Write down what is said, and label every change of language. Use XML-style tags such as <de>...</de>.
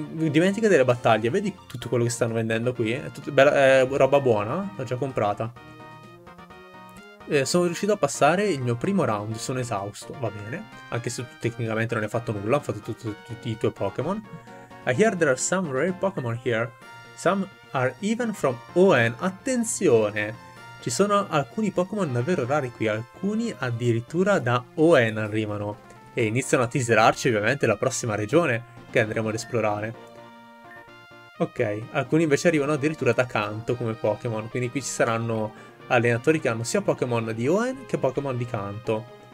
<it>dimentica delle battaglie. Vedi tutto quello che stanno vendendo qui? È tutto, bella, è roba buona. L'ho già comprata. Sono riuscito a passare il mio primo round. Sono esausto. Va bene. Anche se tecnicamente non hai fatto nulla. Ho fatto tutti i tuoi Pokémon.</it> <en>I hear there are some rare Pokémon here. Some are even from Hoenn.</en> <it>Attenzione! Ci sono alcuni Pokémon davvero rari qui. Alcuni addirittura da Hoenn arrivano. E iniziano a teaserarci ovviamente la prossima regione che andremo ad esplorare. Ok, alcuni invece arrivano addirittura da Kanto come Pokémon. Quindi qui ci saranno allenatori che hanno sia Pokémon di Hoenn che Pokémon di Kanto.</it>